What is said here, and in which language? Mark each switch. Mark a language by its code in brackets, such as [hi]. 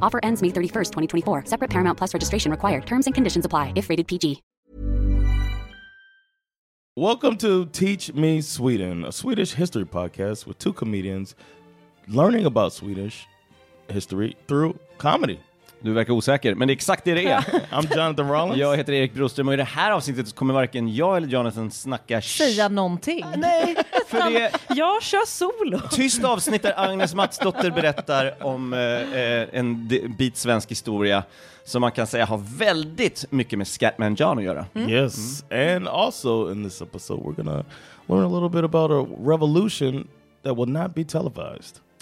[en] Offer ends May 31st, 2024. Separate Paramount Plus registration required. Terms and conditions apply if rated PG. Welcome to Teach Me Sweden, a Swedish history podcast with two comedians learning about Swedish history through comedy. [sv] Du verkar osäker, men det är exakt det det är. [en] I'm Jonathan Rollins. [sv] Jag heter Erik Broström och i det här avsnittet kommer varken jag eller Jonathan snacka... Säga någonting. Nej, för det... jag kör solo. Tyst avsnitt där Agnes Matsdotter berättar om en bit svensk historia som man kan säga har väldigt mycket med Scatman John att göra. Mm. [en] Yes, and also in this episode we're gonna learn a little bit about a revolution that will not be televised.